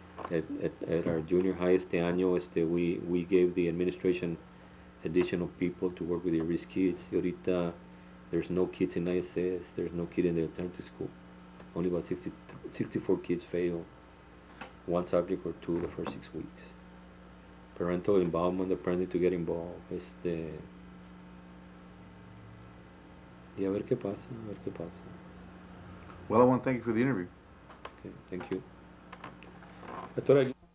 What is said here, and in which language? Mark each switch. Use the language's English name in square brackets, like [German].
[English] At our junior high, we gave the administration additional people to work with the risk kids. Ahorita, there's no kids in ISS, there's no kid in the alternative school. Only about 64 kids fail one subject or two the first 6 weeks. Parental involvement, the parents need to get involved. [Spanish] Y a ver qué pasa, a ver qué pasa. [English] Well, I want to thank you for the interview. Okay, thank you. I thought I'd